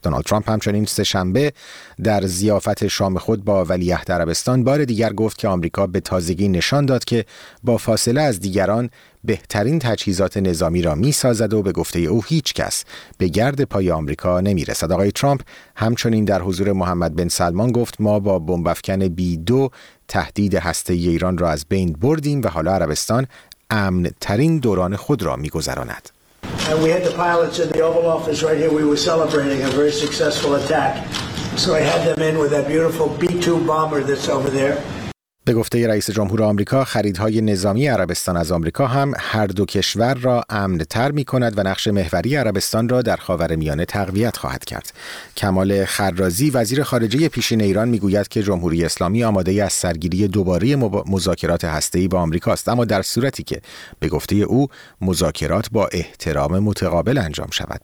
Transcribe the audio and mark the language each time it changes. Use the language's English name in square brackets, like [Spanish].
[Persian] دونالد ترامپ همچنین سه‌شنبه در ضیافت شام خود با ولیعهد عربستان بار دیگر گفت که آمریکا به تازگی نشان داد که با فاصله از دیگران بهترین تجهیزات نظامی را می‌سازد و به گفته او هیچ کس به گرد پای آمریکا نمی‌رسد. آقای ترامپ همچنین در حضور محمد بن سلمان گفت ما با بمب‌افکن B2 تهدید هسته‌ای ایران را از بین بردیم و حالا عربستان امن‌ترین دوران خود را می‌گذراند. [English] And we had the pilots in the Oval Office right here. We were celebrating a very successful attack. So I had them in with that beautiful B-2 bomber that's over there. [Persian] به گفته رئیس جمهور آمریکا، خریدهای نظامی عربستان از آمریکا هم هر دو کشور را امن‌تر می‌کند و نقش محوری عربستان را در خاورمیانه تقویت خواهد کرد. کمال خرازی، وزیر خارجه پیشین ایران، می‌گوید که جمهوری اسلامی آماده ای از سرگیری دوباره مذاکرات هسته‌ای با آمریکاست، اما در صورتی که به گفته او مذاکرات با احترام متقابل انجام شود.